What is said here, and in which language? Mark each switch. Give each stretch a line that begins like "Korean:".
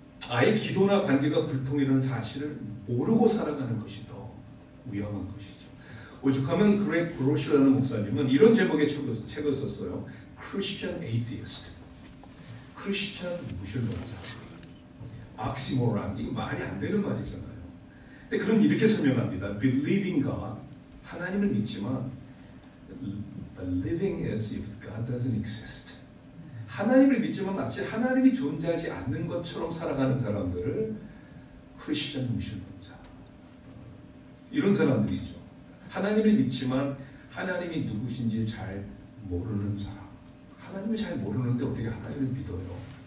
Korean: 아예 기도나 관계가 불통이라는 사실을 모르고 살아가는 것이 더 위험한 것이죠. 오죽하면 그렉 그로시라는 목사님은 이런 제목의 책을 썼어요.
English: Christian Atheist. Christian 무신론자. Oxymoron.
Korean: 이거 말이 안 되는 말이잖아요. 근데 그럼 이렇게 설명합니다.
English: Believing God.
Korean: 하나님을 믿지만
English: Living as if God doesn't exist.
Korean: 하나님을 믿지만 마치 하나님이 존재하지 않는 것처럼 살아가는 사람들을 크리스천 무신론자 이런 사람들이죠. 하나님을 믿지만 하나님이 누구신지 잘 모르는 사람. 하나님을 잘 모르는데 어떻게 하나님을 믿어요?